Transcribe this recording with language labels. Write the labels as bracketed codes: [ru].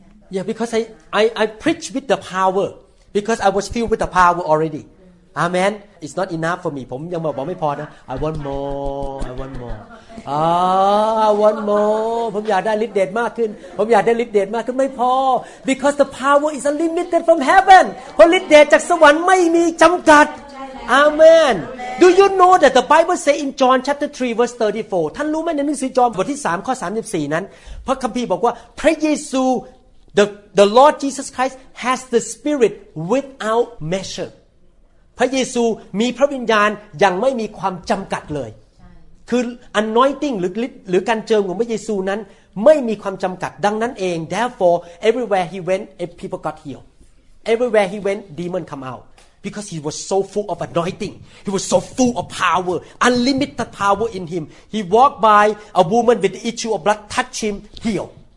[en] Yeah, because I preach with the power, because I was filled with the power already. Amen. It's not enough for me. [th] ผมยังบอกไม่พอนะ [en] I want more. I want more. Ah, I want more. [th] ผมอยากได้ฤทธิ์เดชมากขึ้น ผมอยากได้ฤทธิ์เดชมากขึ้น ไม่พอ [en] because the power is unlimited from heaven. [th] เพราะฤทธิ์เดชจากสวรรค์ไม่มีจำกัด Amen. [en] Do you know that the Bible says in John chapter 3 verse 34? [th] ท่านรู้ไหมในหนังสือจอห์นบทที่3ข้อ34นั้นพระคัมภีร์บอกว่าพระเยซู [en] The Lord Jesus Christ has the Spirit without measure. [th] พระเยซูมีพระวิญญาณอย่างไม่มีความจำกัดเลยคือ anointing หรือการเจิมของพระเยซูนั้นไม่มีความจำกัดดังนั้นเอง [en] therefore everywhere he went people got healed everywhere he went demon come out because he was so full of anointing he was so full of power unlimited power in him he walked by a woman with the issue of blood touch him healed